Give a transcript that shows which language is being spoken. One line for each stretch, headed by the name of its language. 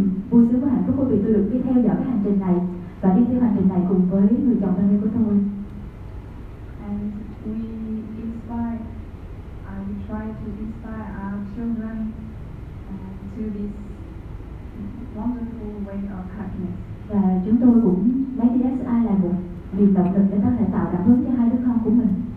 Vietnamese: trình này và đi theo hành trình này cùng với người chồng thân yêu của tôi.
English: And we inspire, we try to inspire our children to this wonderful way of happiness.
Vietnamese: Và chúng tôi cũng lấy DSI là một niềm động lực để có thể tạo cảm hứng cho hai đứa con của mình.